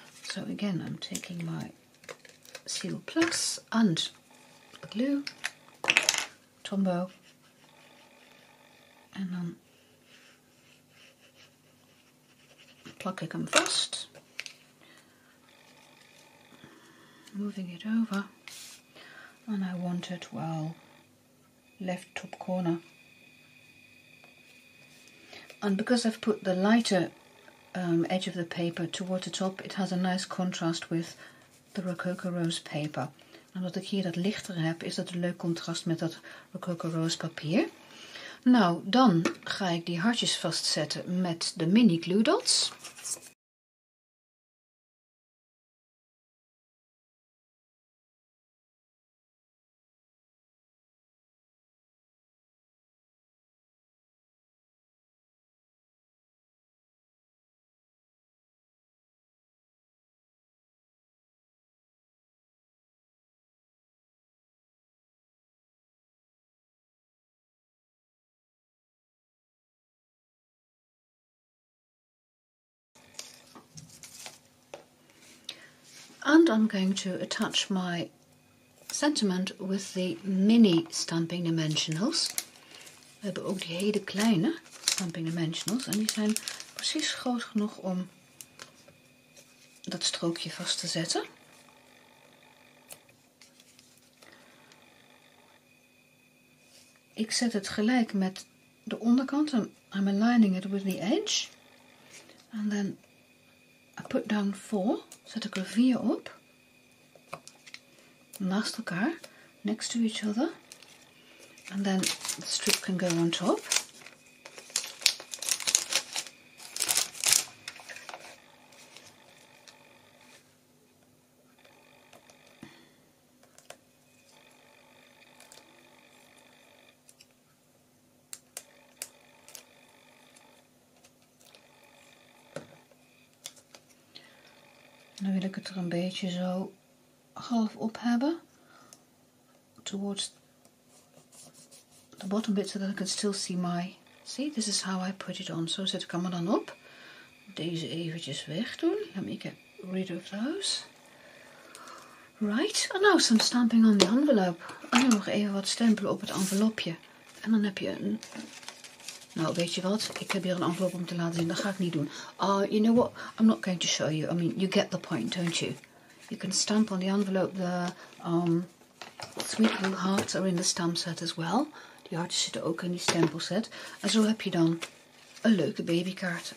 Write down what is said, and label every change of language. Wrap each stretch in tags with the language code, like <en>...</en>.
<en>So again, I'm taking my seal plus and the glue, Tombow, and then plucking them fast, moving it over, and I want it well left top corner. And because I've put the lighter edge of the paper toward the top, it has a nice contrast with the Rococo Rose paper.</en> <nl>En wat ik hier dat lichter heb, is dat een leuk contrast met dat Rococo Rose papier. Nou, dan ga ik die hartjes vastzetten met de mini glue dots.</nl> <en>And I'm going to attach my sentiment with the mini stamping dimensionals.</en> <nl>We hebben ook die hele kleine stamping dimensionals. En die zijn precies groot genoeg om dat strookje vast te zetten. Ik zet het gelijk met de onderkant.</nl> <en>I'm aligning it with the edge. And then I put down 4.</en> <nl>Zet ik er 4 op. Naast elkaar.</nl> <en>Next to each other. And then the strip can go on top.</en> <nl>Dan wil ik het er een beetje zo half op hebben.</nl> <en>Towards the bottom bit, so that I can still see my... See, this is how I put it on.</en> <nl>Zo zet ik hem er dan op. Deze eventjes weg doen.</nl> <en>Let me get rid of those. Right, and now some stamping on the envelope.</en> <nl>En dan nog even wat stempelen op het envelopje. En dan heb je een... Nou, weet je wat? Ik heb hier een envelop om te laten zien. Dat ga ik niet doen.</nl> <en>You know what? I'm not going to show you. I mean, you get the point, don't you? You can stamp on the envelope. The sweet little hearts are in the stamp set as well.</en> <nl>Die hartjes zitten ook in die stempelset. En zo heb je dan een leuke babykaart.</nl>